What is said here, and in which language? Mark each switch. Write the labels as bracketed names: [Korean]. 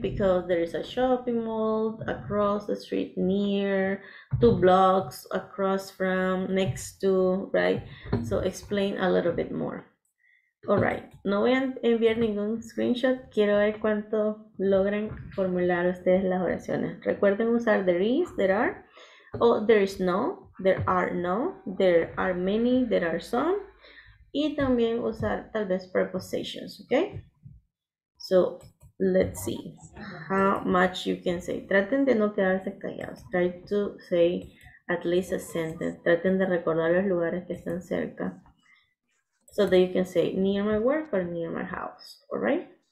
[English] Because there is a shopping mall across the street near, two blocks across from, next to, right? So explain a little bit more. All right, [Spanish] no voy a enviar ningún screenshot. Quiero ver cuánto logran formular ustedes las oraciones. Recuerden usar [English] there is, there are, o there is no, there are many, there are some. [Spanish] Y también usar tal vez [English] prepositions, okay? So, let's see how much you can say. [Spanish] Traten de no quedarse callados. [English] Try to say at least a sentence. [Spanish] Traten de recordar los lugares que están cerca. [English] So that you can say near my work or near my house, all right?